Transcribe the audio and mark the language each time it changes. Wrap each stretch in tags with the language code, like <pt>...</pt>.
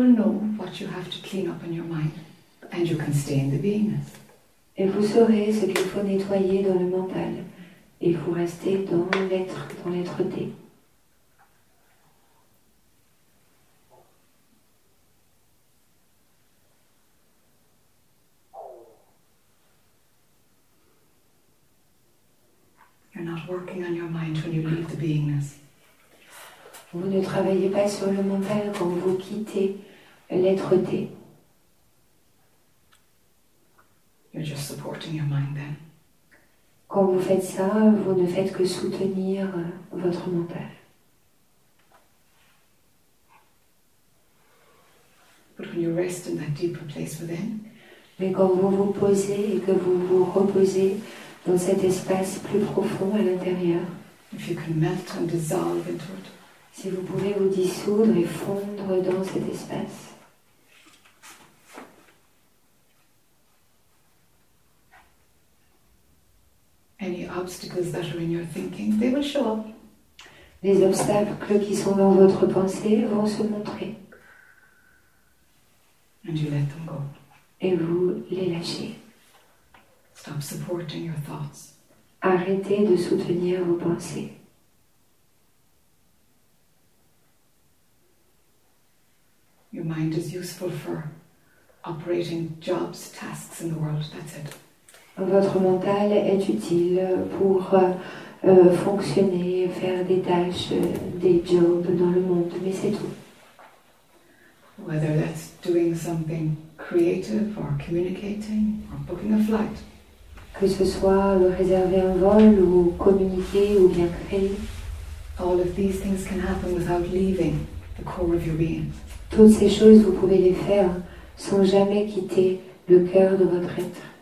<en>will know what you have to clean up in your mind, and you can stay in the beingness.</en> <fr>Et vous saurez ce qu'il faut nettoyer dans le mental, et vous restez dans l'être-té.</fr> <en>You're not working on your mind when you leave the beingness.</en> <fr>Vous ne travaillez pas sur le mental quand vous quittez l'être-té.</fr> <en>You're just supporting your mind then.</en> <fr>Quand vous faites ça, vous ne faites que soutenir votre mental.</fr> <en>But when you rest in that deeper place within,</en> <fr>mais quand vous vous posez et que vous vous reposez dans cet espace plus profond à l'intérieur,</fr> <en>if you can melt and dissolve into it,</en> <fr>si vous pouvez vous dissoudre et fondre dans cet espace,</fr> <en>any obstacles that are in your thinking, they will show up.</en> <fr>Les obstacles qui sont dans votre pensée vont se montrer.</fr> <en>And you let them go.</en> <fr>Et vous les lâchez.</fr> <en>Stop supporting your thoughts.</en> <fr>Arrêtez de soutenir vos pensées.</fr> <en>Your mind is useful for operating jobs, tasks in the world. That's it.</en> <fr>Votre mental est utile pour fonctionner, faire des tâches, des jobs dans le monde, mais c'est tout.</fr> <en>Whether that's doing something creative or communicating or booking a flight.</en> <fr>Que ce soit réserver un vol ou communiquer ou bien créer.</fr> <en>All of these things can happen without leaving the core of your being.</en> <fr>Toutes ces choses, vous pouvez les faire sans jamais quitter le cœur de votre être.</fr>